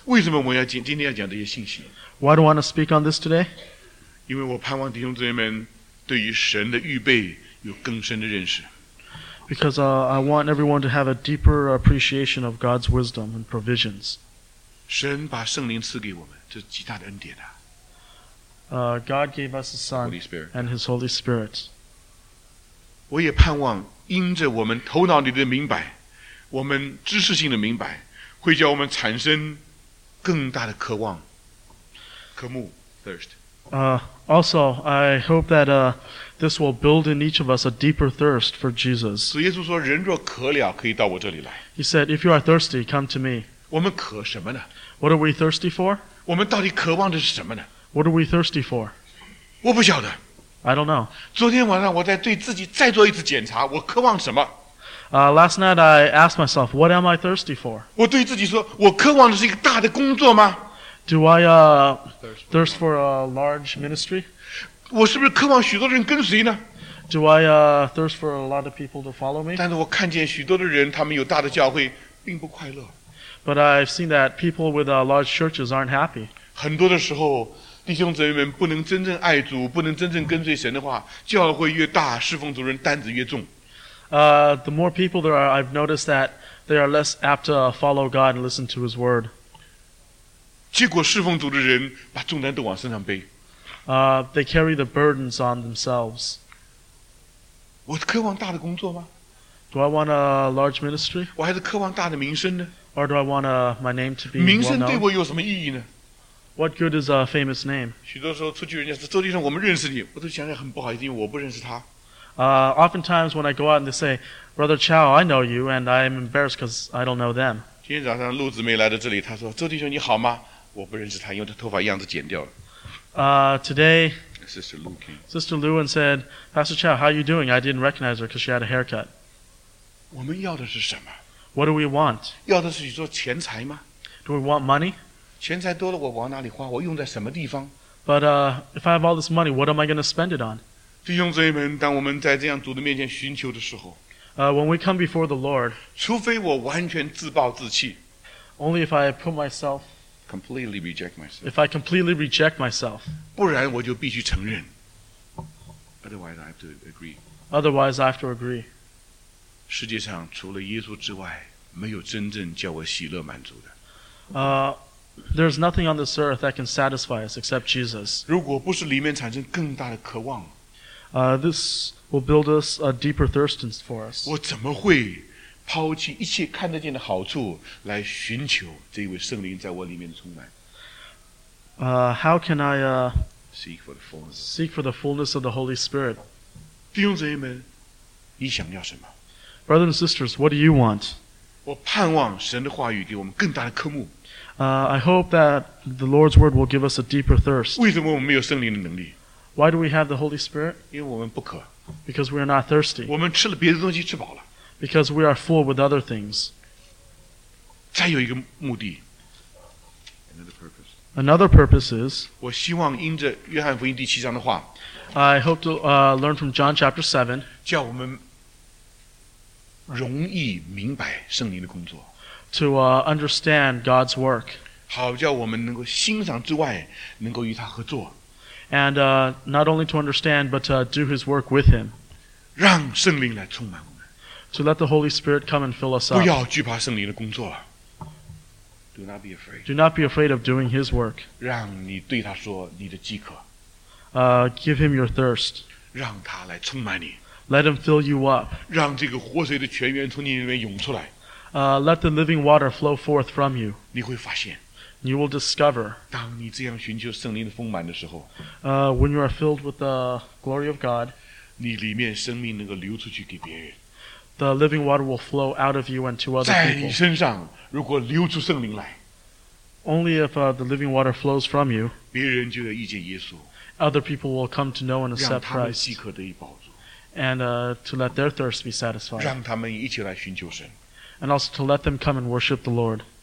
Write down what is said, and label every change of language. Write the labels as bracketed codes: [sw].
[zh] 为什么我要讲今天要讲这些信息？ [en] Why do I want to speak on this today? [zh] 因为我盼望弟兄姊妹们对于神的预备有更深的认识。 [en] Because I want everyone to have a deeper appreciation of God's wisdom and provisions. [zh] 神把圣灵赐给我们，这是极大的恩典啊。 [en] God gave us His Son and His Holy Spirit. [zh] 我也盼望因着我们头脑里的明白，我们知识性的明白，会叫我们产生更大的渴望，渴慕 thirst. [en] Also, I hope that this will build in each of us a deeper thirst for Jesus. [zh] 主耶稣说：“人若渴了，可以到我这里来。” [en] He said, "If you are thirsty, come to me." [zh] 我们渴什么呢？ [en] What are we thirsty for? [zh] 我们到底渴望的是什么呢？ [en] What are we thirsty for? [zh] 我不晓得。 [en] I don't know. [zh] 昨天晚上我在对自己再做一次检查，我渴望什么？ [en] Last night I asked myself, what am I thirsty for? [zh] 我对自己说，我渴望的是一个大的工作吗？ [en] Do I thirst for a large ministry? [zh] 我是不是渴望许多人跟随呢？ [en] Do I thirst for a lot of people to follow me? [zh] 但是我看见许多的人，他们有大的教会，并不快乐。 [en] But I've seen that people with large churches aren't happy. [zh] 很多的时候，弟兄姊妹们不能真正爱主，不能真正跟随神的话，教会越大，侍奉主人担子越重。 [en] The more people there are, I've noticed that they are less apt to follow God and listen to His word. [zh] 结果侍奉主的人把重担都往身上背。 [en] They carry the burdens on themselves. [zh] 我渴望大的工作吗？ [en] Do I want a large ministry? [zh] 我还是渴望大的名声呢。 [en] Or do I want my name to be well-known? [zh] 名声对我有什么意义呢？ [en] What good is a famous name? [zh] 许多时候出去人家说，周弟兄，我们认识你，我都想想很不好意思，因为我不认识他。 [en] Oftentimes when I go out and they say, Brother Chow, I know you, and I'm embarrassed because I don't know them. [zh] 今天早上陆姊妹来到这里，她说，周弟兄你好吗？我不认识她，因为她头发样子剪掉了。 [en] Today, Sister Lou said, Pastor Chow, how are you doing? I didn't recognize her because she had a haircut. [zh] 我们要的是什么？ [en] What do we want? [zh] 要的是你说钱财吗？ [en] Do we want money? [zh] 钱财多了我往哪里花？我用在什么地方？ [en] But if I have all this money, what am I going to spend it on? [zh] 弟兄姊妹们，当我们在这样主的面前寻求的时候， [en] When we come before the Lord, [zh] 除非我完全自暴自弃， [en] Only if I put myself, completely reject myself, if I completely reject myself, [zh] 不然我就必须承认。 [en] Otherwise, I have to agree. Otherwise, I have to agree. [zh] 世界上除了耶稣之外，没有真正叫我喜乐满足的。 [en] There's nothing on this earth that can satisfy us except Jesus. [zh] 如果不是里面产生更大的渴望， [en] This will build us a deeper thirst for us. [zh] 我怎么会抛弃一切看得见的好处来寻求这位圣灵在我里面的充满？ [en] How can I seek for the fullness of the Holy Spirit? [zh] 弟兄姊妹们，你想要什么？ [en] Brothers and sisters, what do you want? [zh] 我盼望神的话语给我们更大的渴慕。 [en] I hope that the Lord's word will give us a deeper thirst. [zh] 为什么我们没有圣灵的能力？ [en] Why do we have the Holy Spirit? [zh] 因为我们不渴。 [en] Because we are not thirsty. [zh] 我们吃了别的东西吃饱了。 [en] Because we are full with other things. [zh] 再有一个目的。 [en] Another purpose is, [zh] 我希望因着约翰福音第七章的话， [en] I hope to learn from John chapter 7, [zh] 叫我们容易明白圣灵的工作， [en] to understand God's work, [zh] 好叫我们能够欣赏之外能够与他合作， [en] and not only to understand but to do his work with him, [zh] 让圣灵来充满我们， [en] to let the Holy Spirit come and fill us up, [zh] 不要惧怕圣灵的工作。 [en] Do not be afraid. Do not be afraid of doing His work. [zh] 让你对他说你的饥渴。 [en] Give Him your thirst. [zh] 让他来充满你。 [en] Let Him fill you up. [zh] 让这个活水的泉源从你里面涌出来。 [en] Let the living water flow forth from you. [zh] 你会发现。 [en] You will discover. [zh] 当你这样寻求圣灵的丰满的时候。 [en] When you are filled with the glory of God. [zh] 你里面生命能够流出去给别人。 [en] The living water will flow out of you and to other people. [zh] 在你身上如果流出圣灵来， [en] Only if the living water flows from you, [zh] 别人就要遇见耶稣， [en] other people will come to know and accept Christ, [zh] 让他们饥渴得以饱足， [en] and to let their thirst be satisfied, [zh] 让他们一起来寻求神， [en] and also to let them come and worship the Lord.